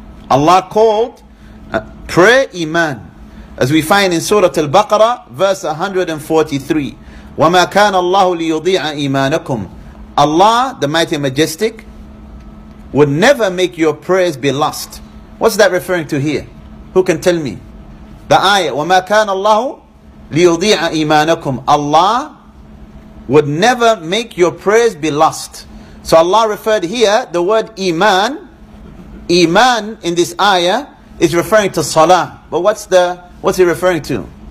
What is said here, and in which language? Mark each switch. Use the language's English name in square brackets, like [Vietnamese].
[English] Allah called prayer iman. As we find in Surah Al-Baqarah, verse 143. [Arabic] وَمَا كَانَ اللَّهُ لِيُضِيعَ إِيمَانَكُمْ. [English] Allah, the Mighty and Majestic, would never make your prayers be lost. What's that referring to here? Who can tell me? [Arabic] The ayah, وَمَا كَانَ اللَّهُ لِيُضِيعَ إِيمَانَكُمْ. [English] Allah would never make your prayers be lost. So Allah referred here, the word iman. Iman in this ayah is referring to salah. But what's he referring to?